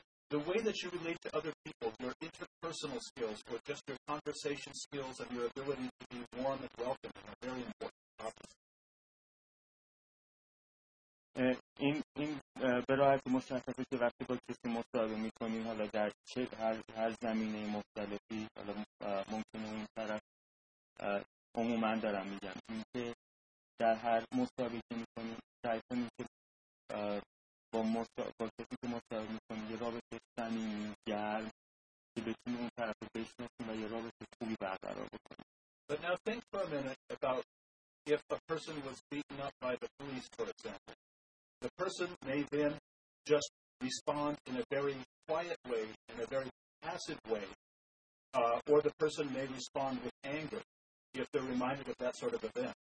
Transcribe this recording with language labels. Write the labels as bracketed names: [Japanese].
[English] The way that you relate to other people, your interpersonal skills, or just your conversation skills and your ability to be warm and welcoming are very important. [Persian] این به راحتی مشخصه که وقتی با کسی مصاحبه میکنیم، حالا در چه هر زمینه مختلفی، حالا ممکنه این طرف عموما دارم میگم، اینکه در هر مصاحبه که میکنیم سعی کنیم که با کسی که مصاحبه میکنیم یه رابطه صمیمی گرم که بتونیم اون طرف رو بشناسیم و یه رابطه خوبی برقرار بکنیم. [English] But now think for a minute about if a person was beaten up by the police, for example. The person may then just respond in a very quiet way, in a very passive way, or the person may respond with anger if they're reminded of that sort of event.